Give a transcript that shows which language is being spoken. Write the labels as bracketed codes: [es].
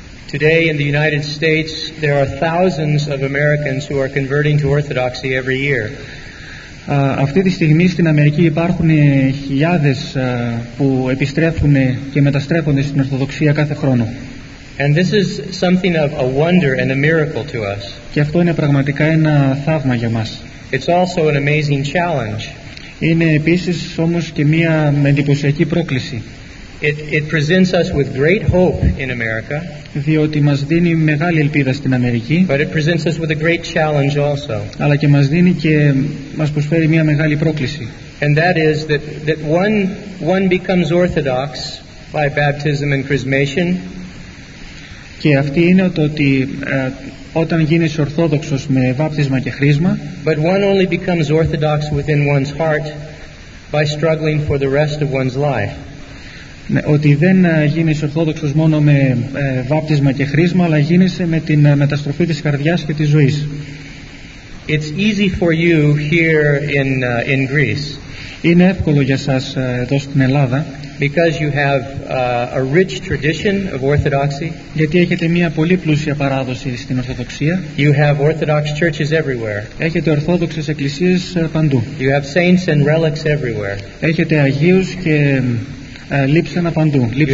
[en] Today in the United States there are thousands of Americans who are converting to Orthodoxy every year. [el] Αυτή τη στιγμή στην Αμερική υπάρχουν χιλιάδες που επιστρέφουν και μεταστρέφονται στην Ορθοδοξία κάθε χρόνο. [en] And this is something of a wonder and a miracle to us. [el] Και αυτό είναι πραγματικά ένα θαύμα για μας. [en] It's also an amazing challenge. [el] Είναι επίσης όμως και μια εντυπωσιακή πρόκληση. [en] It presents us with great hope in America. [el] Διότι μας δίνει μεγάλη ελπίδα στην Αμερική. [en] But it presents us with a great challenge also. [el] Αλλά και μας δίνει και μας προσφέρει μια μεγάλη πρόκληση. [en] And that is that one becomes Orthodox by baptism and chrismation. [el] Και αυτή είναι το ότι όταν γίνεις Ορθόδοξος με βάπτισμα και χρίσμα. [en] But one only becomes Orthodox within one's heart by struggling for the rest of one's life. [el] Ότι δεν γίνεις Ορθόδοξος μόνο με βάπτισμα και χρίσμα, αλλά γίνεσαι με την μεταστροφή της καρδιάς και της ζωής. [en] It's easy for you here in Greece. [el] Είναι εύκολο για σας εδώ στην Ελλάδα. [en] Because you have a rich tradition of Orthodoxy. [el] Γιατί έχετε μια πολύ πλούσια παράδοση στην Ορθοδοξία. [en] You have Orthodox churches everywhere. [el] Έχετε Ορθόδοξες εκκλησίες παντού. [en] You have saints and relics everywhere. [el] Έχετε Αγίους και λείψανα παντού.